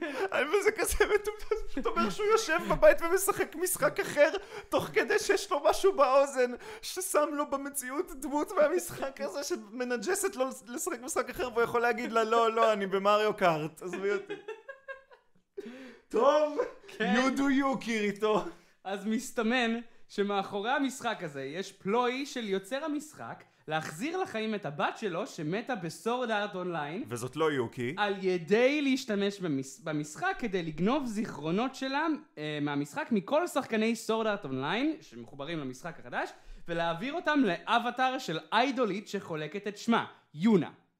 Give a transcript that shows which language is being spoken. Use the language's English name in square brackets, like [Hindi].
[Hebrew] אבל זה כזה מטומטם, זאת אומרת שהוא יושב בבית ומשחק משחק אחר, תוך כדי שיש לו משהו באוזן, ששם לו במציאות דמות מהמשחק הזה, שמנג'סת לו לשחק משחק אחר, והוא יכול להגיד לה, לא, לא, אני במריו קארט, עזבי אותי. טוב, [English] you do you, קיריטו. [Hebrew] אז מסתמן שמאחורי המשחק הזה יש פלוי של יוצר המשחק, להחזיר לחיים את הבת שלו שמתה בסורד ארט אונליין. וזאת לא יוקי. על ידי להשתמש במשחק כדי לגנוב זיכרונות שלה מהמשחק מכל שחקני סורד ארט אונליין שמחוברים למשחק החדש, ולהעביר אותם לאבטר של איידולית שחולקת את שמה, יונה.